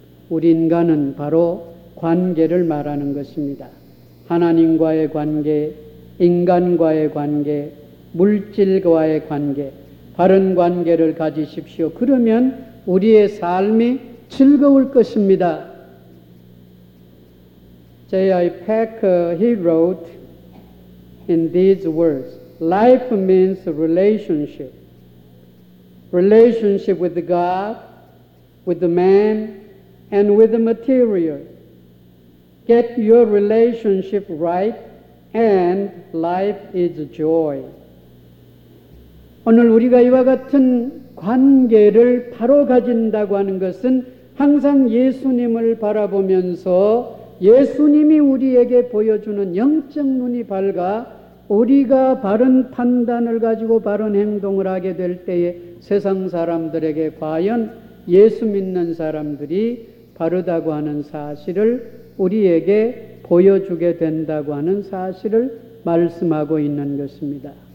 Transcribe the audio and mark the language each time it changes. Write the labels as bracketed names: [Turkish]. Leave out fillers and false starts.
[Korean] 우리 인간은 바로 관계를 말하는 것입니다. 하나님과의 관계, 인간과의 관계, 물질과의 관계, 바른 관계를 가지십시오. 그러면 우리의 삶이 즐거울 것입니다. [English] J.I. Packer, he wrote in these words, life means relationship. Relationship with God, with man, and with the material. Get your relationship right and life is joy. [Korean] 오늘 우리가 이와 같은 관계를 바로 가진다고 하는 것은 항상 예수님을 바라보면서 예수님이 우리에게 보여주는 영적 눈이 밝아 우리가 바른 판단을 가지고 바른 행동을 하게 될 때에 세상 사람들에게 과연 예수 믿는 사람들이 바르다고 하는 사실을 우리에게 보여주게 된다고 하는 사실을 말씀하고 있는 것입니다.